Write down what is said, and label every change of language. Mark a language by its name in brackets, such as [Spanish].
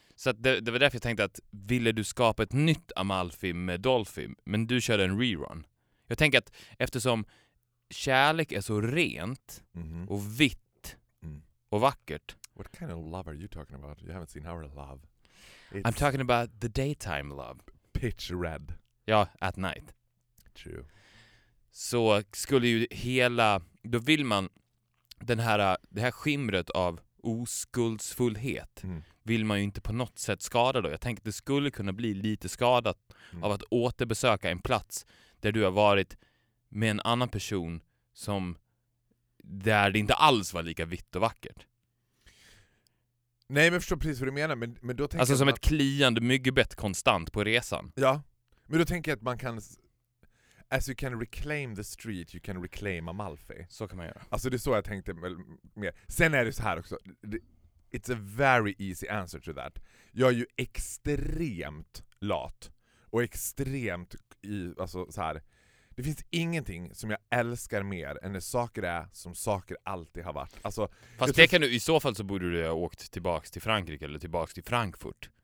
[Swedish] Så att det var därför jag tänkte att ville du skapa ett nytt Amalfi med Dolphy, men du körde en rerun. Jag tänker att eftersom kärlek är så rent och vitt och vackert... [English] What kind of love are you talking about? You haven't seen our love. It's I'm talking about the daytime love. Pitch red. Ja, at night. True. [Swedish] Så skulle ju hela... Då vill man det här skimret av oskuldsfullhet vill man ju inte på något sätt skada då. Jag tänkte att det skulle kunna bli lite skadat av att återbesöka en plats där du har varit med en annan person som där det inte alls var lika vitt och vackert. Nej, men jag förstår precis vad du menar. Men då tänker alltså jag som ett kliande myggbett konstant på resan. Ja, men då tänker jag att man kan... [English] As you can reclaim the street, you can reclaim Amalfi. [Swedish] Så kan man göra. Alltså det är så jag tänkte mer. Sen är det så här också. [English] It's a very easy answer to that. [Swedish] Jag är ju extremt lat. Och extremt i, alltså så här, Det finns ingenting som jag älskar mer än när saker är som saker alltid har varit. Alltså, fast det kan du, i så fall så borde du ha åkt tillbaka till Frankrike eller tillbaka till Frankfurt.